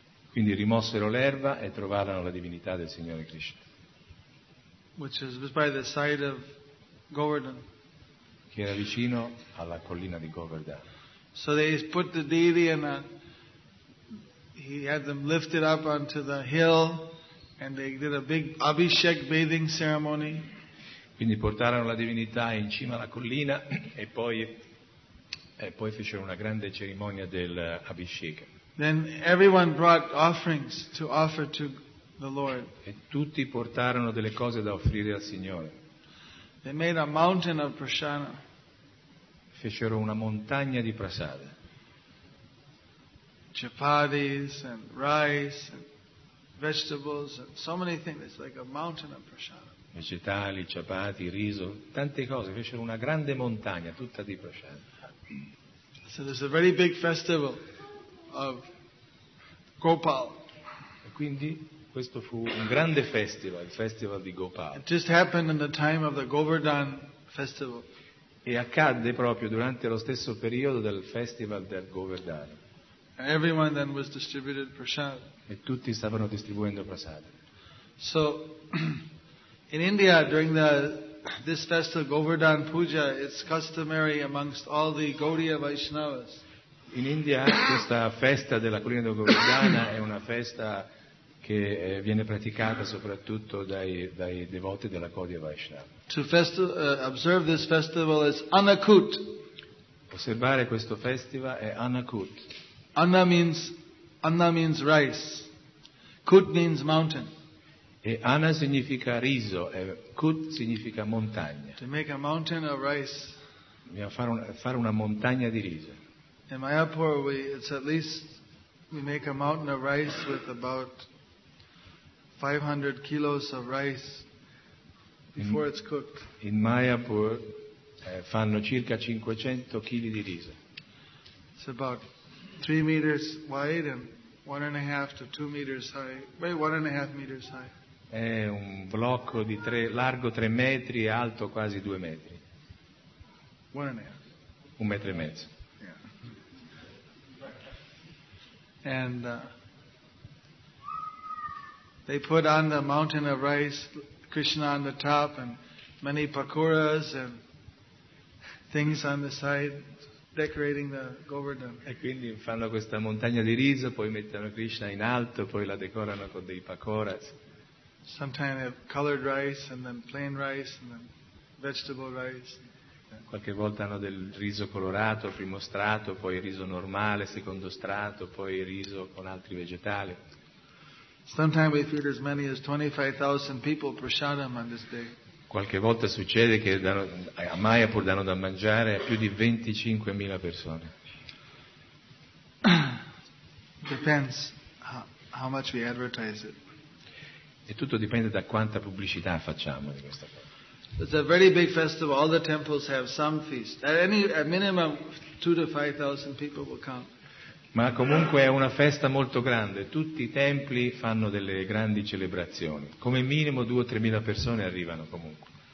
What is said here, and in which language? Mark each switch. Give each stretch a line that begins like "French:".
Italian: Quindi rimossero l'erba e trovarono la divinità del Signore Krishna.
English: Which is by the side of Govardhan.
Italian: Che era vicino alla collina di Govardhan.
English: So they put the deity in a, he had them lifted up onto the hill. And they did a big Abhishek bathing ceremony.
Italian: Quindi portarono la divinità in cima alla collina e poi fecero una grande cerimonia del Abhishek.
English: Then everyone brought offerings to offer to the Lord.
Italian: E tutti portarono delle cose da offrire al Signore.
English: They made a mountain of prasada.
Italian: Fecero una montagna di prasada.
English: Chapatis and rice and vegetables and so many things. It's like a mountain of prasada.
Italian: Vegetali, chapati, riso, tante cose. Fecero una grande montagna tutta di prasada.
English: So there's a very big festival of Gopal.
Italian: E quindi questo fu un grande festival, il festival di Gopal.
English: It just happened in the time of the Govardhan festival.
Italian: E accadde proprio durante lo stesso periodo del festival del Govardhan.
English: Everyone then was distributed prasad.
Italian: E tutti stavano distribuendo prasad.
English: So, in India, during this festival, Govardhan Puja, it's customary amongst all the Gaudiya Vaishnavas.
Italian: In India, questa festa della collina di Govardhana è una festa che viene praticata soprattutto dai devoti della Gaudiya Vaishnava.
English: To observe this festival is anakut.
Italian: Osservare questo festival è anakut.
English: Anna means rice. Kut means mountain.
Italian: E Anna significa riso e Kut significa montagna.
English: To make a mountain of rice.
Italian: Dobbiamo fare una montagna di riso.
English: In Mayapur we make a mountain of rice with about 500 kilos of rice before it's cooked.
Italian: In Mayapur fanno circa 500 kg di riso.
English: It's about 3 meters wide and 1.5 to 2 meters high. Wait, 1.5 meters high.
Italian: È un blocco di tre, largo 3 metri e alto quasi 2 metri.
English: 1.5.
Italian: Un metro e mezzo.
English: Yeah. And they put on the mountain of rice, Krishna on the top, and many pakoras and things on the side, decorating the Govardhan.
Italian: E quindi fanno questa montagna di riso, poi mettono Krishna in alto, poi la decorano con dei pakoras.
English: Sometimes they have colored rice and then plain rice and then vegetable rice.
Italian: Qualche volta hanno del riso colorato, primo strato, poi riso normale, secondo strato, poi riso con altri vegetali.
English: Sometimes we feed as many as 25,000 people prasadam on this day.
Italian: Qualche volta succede che a Mayapur danno da mangiare a più di 25,000 persone.
English: Depends how much we advertise it.
Italian: E tutto dipende da quanta pubblicità facciamo di questa cosa.
English: It's a very big festival. All the temples have some feast. At minimum, 2,000 to 5,000 people will come.
Italian: Ma comunque è una festa molto grande. Tutti i templi fanno delle grandi celebrazioni. Come minimo 2,000 to 3,000 persone arrivano comunque.